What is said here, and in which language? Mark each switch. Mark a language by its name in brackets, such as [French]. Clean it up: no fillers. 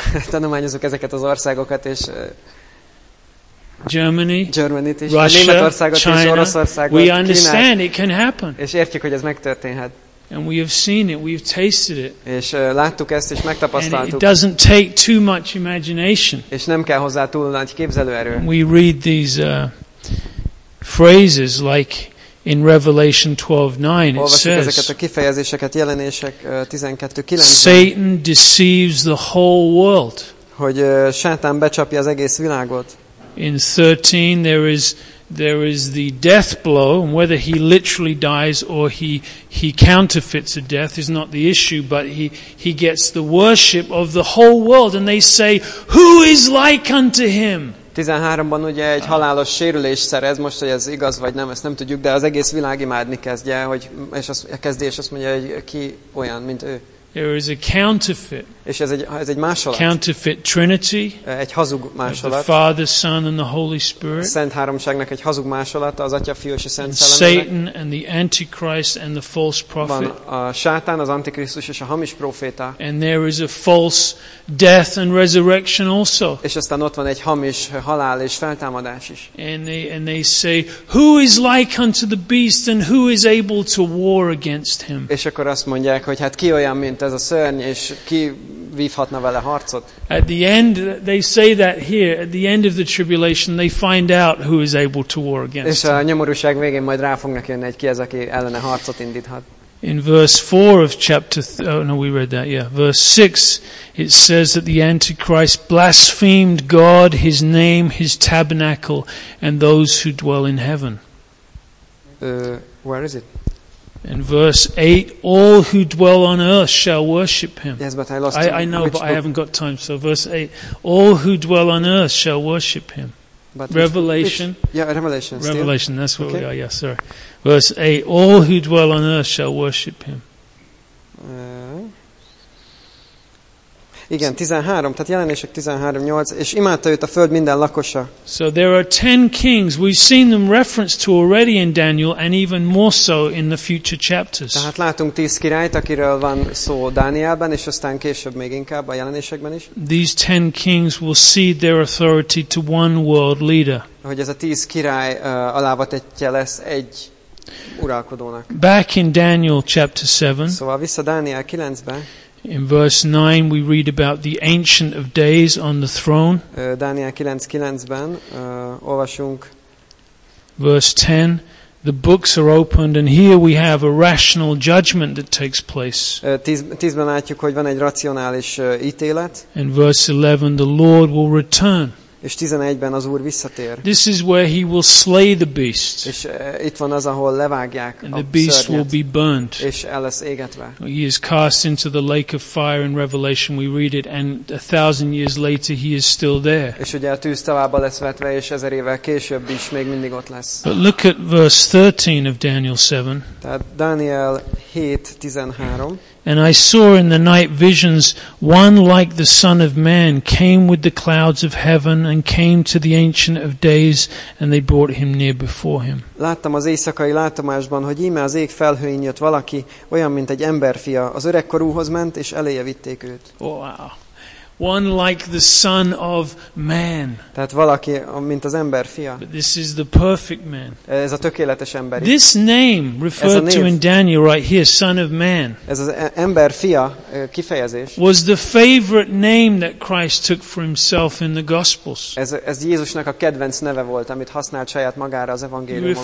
[Hungarian] Tanulmányozunk ezeket az országokat, és Germanyt is, Russia, Németországot [English] China, [Hungarian] és Oroszországot, [English] we understand it can happen. [Hungarian] És értjük, hogy ez megtörténhet. [English] And we have seen it, we've tasted it. [Hungarian] És láttuk ezt és megtapasztaltuk. [English] It doesn't take too much imagination. [Hungarian] És nem kell hozzá túl nagy képzelőerő. [English] We read these phrases like in Revelation 12:9 it says. [Hungarian] Olvassuk ezeket a kifejezéseket Jelenések 12:9. [English] Satan deceives the whole world. [Hungarian] Hogy Sátán becsapja az egész világot. [English] In 13 there is the death blow, and whether he literally dies or he counterfeits a death is not the issue, but he gets the worship of the whole world and they say, who is like unto him? [Hungarian] 13-ban ugye egy halálos sérülés szerez, most hogy ez igaz vagy nem, ezt nem tudjuk, de az egész világ imádni kezdje, hogy és az a kezdés azt mondja, hogy ki olyan mint ő. [English] There is a counterfeit. [Hungarian] És ez egy másolat. [English] Counterfeit Trinity. [Hungarian] Egy hazug másolat. [English] The Father, Son and the Holy Spirit. [Hungarian] A Szent Háromságnak egy hazug másolata, az Atya, Fiú és a Szent Szellem. [English] Satan and the Antichrist and the false prophet. [Hungarian] Van a Sátán, az Antikrisztus és a hamis proféta. [English] And there is a false death and resurrection also. [Hungarian] És aztán ott van egy hamis halál és feltámadás is. [English] And they say, who is like unto the beast and who is able to war against him? [Hungarian] És akkor azt mondják, hogy hát ki olyan, mint ez a szörny, és ki vívhatna vele harcot. [English] At the end, they say that here, at the end of the tribulation, they find out who is able to war against him. [Hungarian] És a nyomorúság végén majd rá fognak jönni, hogy ki ez, aki ellene harcot indíthat. [English] In verse 4 of chapter verse 6 it says that the Antichrist blasphemed God, his name, his tabernacle and those who dwell in heaven. Where is it? In verse 8 all who dwell on earth shall worship him. Yes, but I lost it. I know but book? I haven't got time, so verse 8 all who dwell on earth shall worship him. But Revelation. Revelation. Revelation, that's where okay. We are. Yeah, sorry. Verse 8, all who dwell on earth shall worship him. [Hungarian] Igen, 13, tehát Jelenések 13:8, és imádta őt a föld minden lakosa. [English] So there are 10 kings. We've seen them referenced to already in Daniel and even more so in the future chapters. [Hungarian] Tehát látunk 10 királyt, akiről van szó Dánielben, és aztán később még inkább a Jelenésekben is. [English] These 10 kings will cede their authority to one world leader. [Hungarian] Hogy ez a 10 király alávetettje lesz egy uralkodónak. [English] Back in Daniel chapter 7. [Hungarian] Szóval vissza Dániel 9-be. [English] In verse 9 we read about the Ancient of Days on the throne. [Hungarian] Dániel 9:9-ben olvasunk. [English] Verse 10, the books are opened and here we have a rational judgment that takes place. [Hungarian] 10-ben látjuk, hogy van egy racionális ítélet. [English] In verse 11, the Lord will return. [Hungarian] És 11-ben az Úr visszatér. [English] This is where he will slay the beast. [Hungarian] És itt van az, ahol levágják [English] a beast will be burned. [Hungarian] És el lesz égetve. [English] He is cast into the lake of fire in Revelation. We read it and 1,000 years later he is still there. [Hungarian] És ugye a tűz tavába lesz vetve, és 1000 évvel később is még mindig ott lesz. [English] But look at verse 13 of Daniel 7. [Hungarian] Tehát Dániel 7:13. [English] And I saw in the night visions, one like the Son of Man came with the clouds of heaven and came to the Ancient of Days, and they brought him near before him. [Hungarian] Láttam az éjszakai látomásban, hogy íme az ég felhőin jött valaki, olyan, mint egy emberfia, az öregkorúhoz ment, és eléje vitték őt. [English] Wow. One like the Son of Man. [Hungarian] Tehát valaki, mint az ember fia. [English] But this is the perfect man. [Hungarian] Ez a tökéletes ember. [English] This name referred to in Daniel right here, Son of Man. [Hungarian] Ez az ember fia kifejezés. [English] Was the favorite name that Christ took for himself in the Gospels. [Hungarian] Ez Jézusnak a kedvenc neve volt, amit használt saját magára az evangéliumokban.